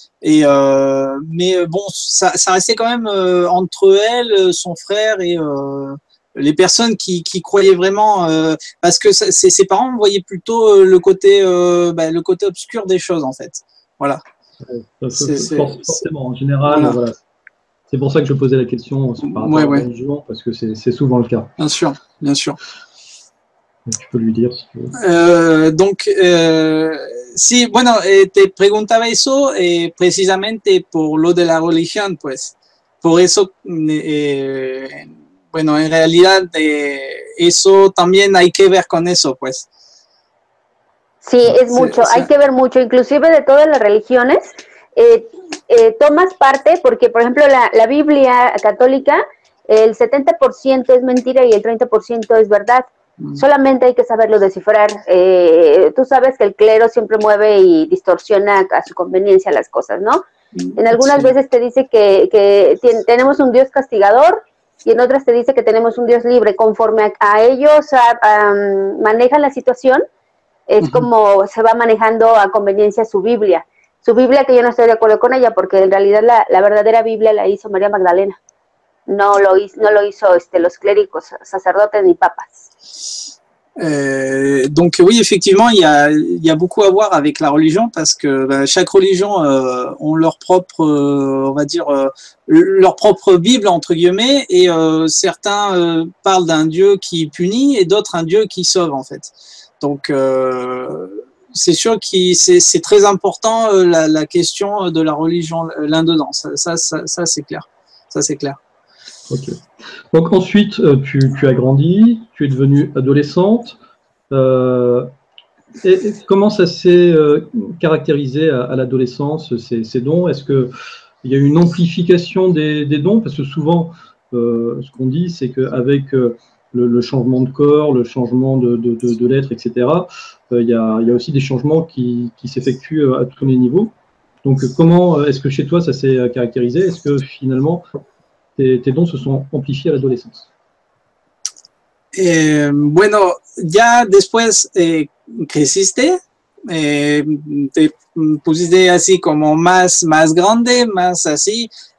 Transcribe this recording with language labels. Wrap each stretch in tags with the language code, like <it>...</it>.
<fr>Et mais bon, ça restait quand même entre elle, son frère et les personnes qui croyaient vraiment, parce que ses parents voyaient plutôt le côté obscur des choses en fait. Voilà. Forcément, en général. Voilà. C'est pour ça que je posais la question par rapport à mon jour, parce que c'est souvent le cas. Bien sûr, bien sûr. Tu peux lui dire si tu veux.</fr> <es>Sí, bueno, te preguntaba eso precisamente por lo de la religión, pues. Por eso, bueno, en realidad, eso también hay que ver con eso, pues. Sí, es mucho, sí, hay que ver mucho, inclusive de todas las religiones. Tomas parte porque, por ejemplo, la Biblia católica, el 70% es mentira y el 30% es verdad. Solamente hay que saberlo descifrar. Tú sabes que el clero siempre mueve y distorsiona a su conveniencia las cosas, ¿no? En algunas veces te dice que tenemos un Dios castigador y en otras te dice que tenemos un Dios libre. Conforme a ellos manejan la situación, es como se va manejando a conveniencia su Biblia. Su Biblia, que yo no estoy de acuerdo con ella, porque en realidad la verdadera Biblia la hizo María Magdalena. No lo hizo los clérigos, sacerdotes ni papas.</es> <fr>Donc oui, effectivement, il y a beaucoup à voir avec la religion, parce que chaque religion ont leur propre, on va dire, leur propre Bible, entre guillemets, et certains parlent d'un Dieu qui punit et d'autres un Dieu qui sauve, en fait. Donc... c'est sûr que c'est très important la question de la religion là-dedans. Ça, c'est clair. Ça, c'est clair. Ok. Donc, ensuite, tu as grandi, tu es devenue adolescente. Et comment ça s'est caractérisé à l'adolescence, ces dons? Est-ce qu'il y a une amplification des dons? Parce que souvent, ce qu'on dit, c'est qu'avec. Le changement de corps, le changement de l'être, etc. Il y a aussi des changements qui s'effectuent à tous les niveaux. Donc, comment est-ce que chez toi ça s'est caractérisé? Est-ce que finalement tes dons se sont amplifiés à l'adolescence?</fr> <es>Bueno, ya después creciste, te pusiste así como más grande, más así.</es>